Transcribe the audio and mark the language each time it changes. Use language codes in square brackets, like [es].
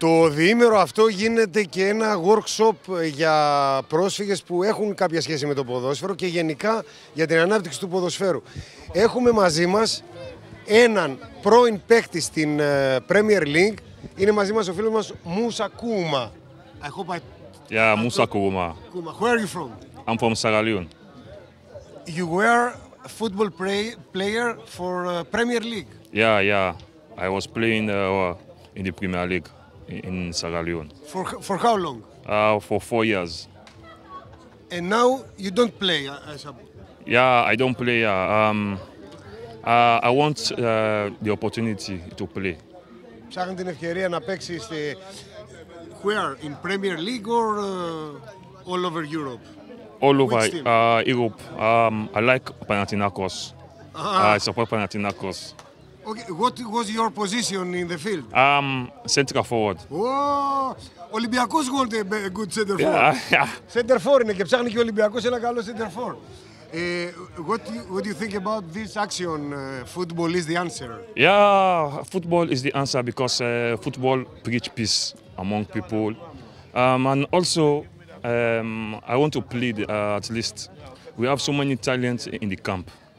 [el] Διήμερο αυτό γίνεται και ένα workshop για πρόσφυγες που έχουν κάποια σχέση με το ποδόσφαιρο και γενικά για την ανάπτυξη του ποδοσφαίρου. Έχουμε μαζί μας έναν πρώην παίκτη στην Premier League. Είναι μαζί μας ο φίλος μας Μούσα Κούμα. [en] Yeah, Μούσα Κούμα. Where are you from? I'm from Σαγαλίων. You were a football player for Premier League. Yeah. I was playing in the Premier League. In Sagaleon. For how long? For 4 years. And now you don't play? I don't play. I want the opportunity to play. [el] Ψάχνει την ευκαιρία να παίξει στη... [en] Where? In Premier League or all over Europe? All over Europe. I like Panathinaikos. I support Panathinaikos. Okay, what was your position in the field? Central forward. Oh, Olympiakos want a good center forward. Yeah. [el] Center forward, είναι και ψάχνει και ο Ολυμπιακός ένα καλό center forward. [en] What do you think about this action? Football is the answer. Yeah, football is the answer because football preach peace among people. And also, I want to plead at least, we have so many talents in the camp.